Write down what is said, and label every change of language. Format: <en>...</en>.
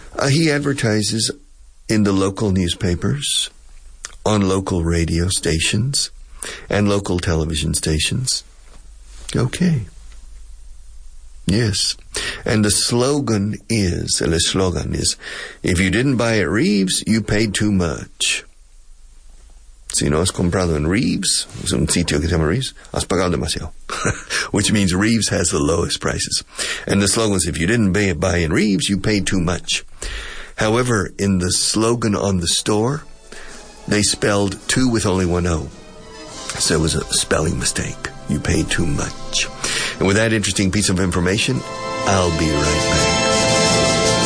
<en>He advertises in the local newspapers, on local radio stations, and local television stations. Okay. Yes. And the slogan is, if you didn't buy at Reeves, you paid too much.</en> <es>Si no has comprado en Reeves, es un sitio que se llama Reeves, has pagado demasiado.</es> <en>Which means Reeves has the lowest prices. And the slogan is, if you didn't buy in Reeves, you paid too much. However, in the slogan on the store, they spelled two with only one O. So it was a spelling mistake. You paid too much. And with that interesting piece of information, I'll be right back.</en>